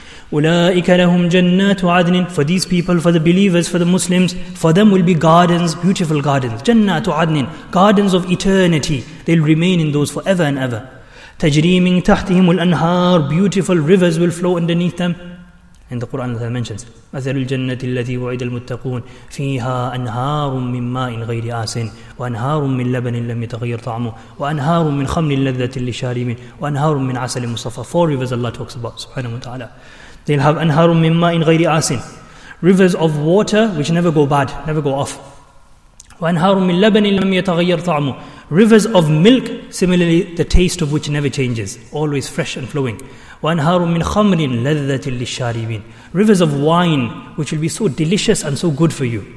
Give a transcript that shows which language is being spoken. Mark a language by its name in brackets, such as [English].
[Arabic] Ulaika lahum jannatu adnin. [English] For these people, for the believers, for the Muslims, for them will be gardens, beautiful gardens. Jannatu adnin. Gardens of eternity. They'll remain in those forever and ever. [Arabic] Tajri min tahtihimul anhar. [English] Beautiful rivers will flow underneath them. In the Quran, Allah mentions, [Arabic] مَثَلُ الْجَنَّةِ الَّذِي وَعِدَ الْمُتَّقُونَ فِيهَا أَنْهَارٌ مِّن مَّاءٍ غَيْرِ آسٍ وَأَنْهَارٌ مِّن لَّبَنٍ لَّمْ يَتَغَيَّرْ طَعْمُهُ وَأَنْهَارٌ مِّن خَمْرٍ لَّذَّةٍ لِّلشَّارِبِينَ وَأَنْهَارٌ مِّن عَسَلٍ مُّصَفًّى. [English] Four rivers Allah talks about, subhanahu wa ta'ala. They'll have [Arabic] أَنْهَارٌ مِّن مَّاءٍ غَيْرِ آسٍ. [English] Rivers of water which never go bad, never go off. [Arabic] وَأَنْهَارٌ مِّن لَّبَنٍ لَّمْ يَتَغَيَّرْ طَعْمُهُ. [English] Rivers of milk, similarly, the taste of which never changes, always fresh and flowing. [Arabic] وَأَنْهَارٌ مِّنْ خَمْرٍ لَذَّةٍ لِلشَّارِبِينَ. [English] Rivers of wine, which will be so delicious and so good for you.